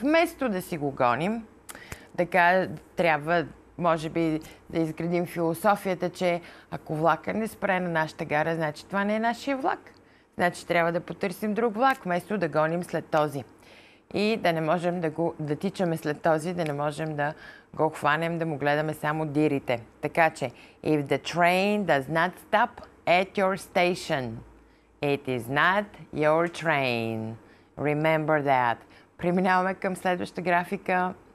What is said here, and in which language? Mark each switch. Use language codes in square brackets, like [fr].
[bg] Вместо да си го гоним, така трябва може би да изградим философията, че ако влака не спре на нашата гара, значи това не е нашия влак. Значи трябва да потърсим друг влак, вместо да гоним след този. И да не можем да тичаме след този, да не можем да го хванем, да му гледаме само дирите. Така че, [en] if the train does not stop at your station, it is not your train. Remember that. [bg] Преминаваме към следващата графика.